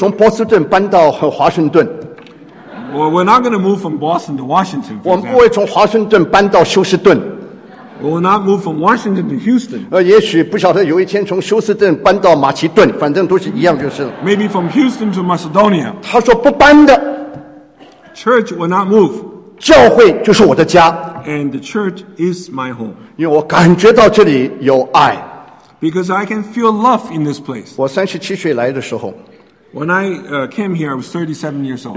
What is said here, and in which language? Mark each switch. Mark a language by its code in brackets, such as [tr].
[zh] 我们不会从波士顿搬到华盛顿。 [en] Well, we're not going to move from Boston to Washington. [zh] 我们不会从华盛顿搬到休斯顿。 [en] We will not move from Washington to Houston. [zh] 也许不晓得有一天从休斯顿搬到马其顿, 反正都是一样就是了。 [en] Maybe from Houston to Macedonia. [zh] 他说不搬的。 [en] Church will not move. [zh] 教会就是我的家。 [en] And the church is my home. [zh] 因为我感觉到这里有爱。 [en] Because I can feel love in this place. [zh] 我37岁来的时候, [en] when I came here, I was 37 years old.